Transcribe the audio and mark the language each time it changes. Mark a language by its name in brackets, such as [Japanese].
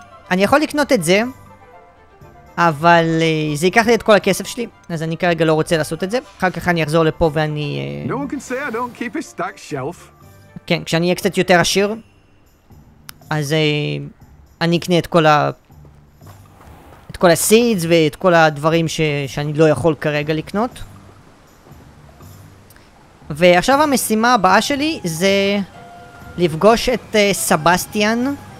[Hebrew] אני יכול לקנות את זה, אבל זה ייקח לי את כל הכסף שלי, אז אני כרגע לא רוצה לעשות את זה. אחר כך אני אחזור לפה ואני... [English] No one can say I don't keep a stack shelf. [Hebrew] כן, כשאני אהיה קצת יותר עשיר, אז אני אקנה את כל את כל ה-seeds ואת כל הדברים שאני לא יכול כרגע לקנות. ועכשיו המשימה הבאה שלי זה לפגוש את סבסטיאן.